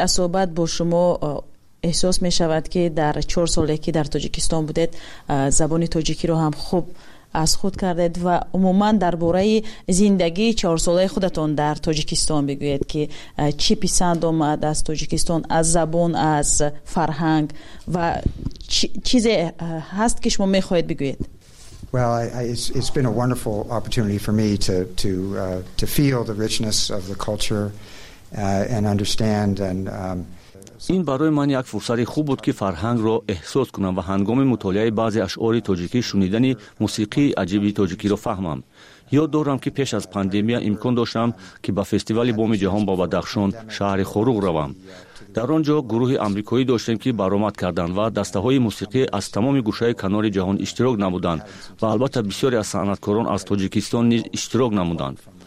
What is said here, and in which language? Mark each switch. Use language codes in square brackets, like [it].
[fa] از صحبت با شما احساس می شود که در 4 سالی که در تاجیکستان بودید زبان تاجیکی را هم خوب از خود کردید و عموماً درباره زندگی 4 ساله خودتون در تاجیکستان بگویید که چی پسند آمد از تاجیکستان، از زبان، از فرهنگ و چیزی هست که شما میخواهید بگویید. [en] Well, it's been a wonderful opportunity for me to feel the richness of the culture and understand and [fa] این برای من یک فرصت خوب بود که فرهنگ را احساس کنم و هنگام مطالعه بعضی اشعار تاجیکی شنیدن موسیقی عجیب تاجیکی را فهمم. یاد دارم که پیش از پاندمی امکان داشتم که به فستیوال بوم جهان با بدخشان شهر خروق روم. در آنجا گروه آمریکایی داشتیم که برآمد کردند و دسته های موسیقی از تمام گوشه کنار جهان اشتراک نمودند و البته بسیاری از صنعتکاران از تاجیکستان نیز اشتراک نمودند.